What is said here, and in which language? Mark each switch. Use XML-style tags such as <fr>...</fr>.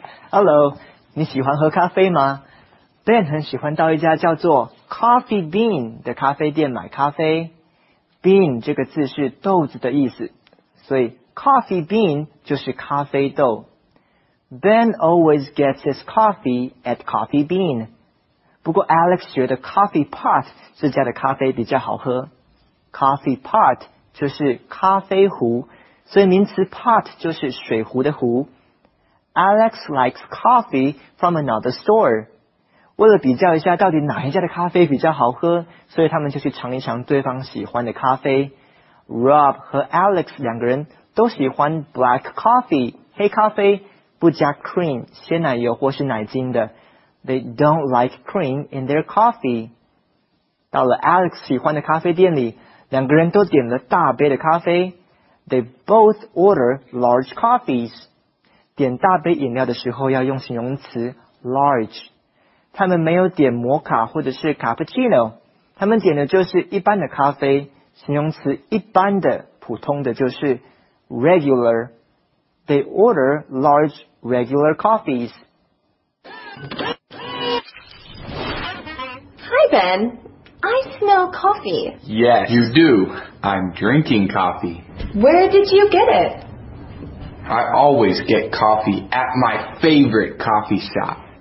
<zh>Hello, 你喜欢喝咖啡吗?Ben 很喜欢到一家叫做 Coffee Bean 的咖啡店买咖啡。 Bean 这个字是豆子的意思，所以 Coffee Bean 就是咖啡豆。</zh> <en>Ben always gets his coffee at Coffee Bean.</en> <zh>不过 Alex 觉得 Coffee Pot 这家的咖啡比较好喝。 Coffee Pot 就是咖啡壶，所以名词 Pot 就是水壶的壶。</zh> <en>Alex likes coffee from another store.</en> <zh>为了比较一下到底哪一家的咖啡比较好喝，所以他们就去尝一尝对方喜欢的咖啡。 Rob 和 Alex 两个人都喜欢 black coffee, 黑咖啡，不加 cream, 鲜奶油或是奶精的。</zh> <en>They don't like cream in their coffee.</en> <zh>到了 Alex 喜欢的咖啡店里，两个人都点了大杯的咖啡。</zh> <en>They both order large coffees.</en> <zh>点大杯饮料的时候要用形容词 large， 他们没有点摩卡或者是 cappuccino， 他们点的就是一般的咖啡，形容词一般的、普通的就是 regular。</zh> <en>They order large regular coffees. Hi Ben, I smell coffee. Yes, you do. I'm drinking coffee. Where did you get it? I always get coffee at my favorite coffee shop.</en>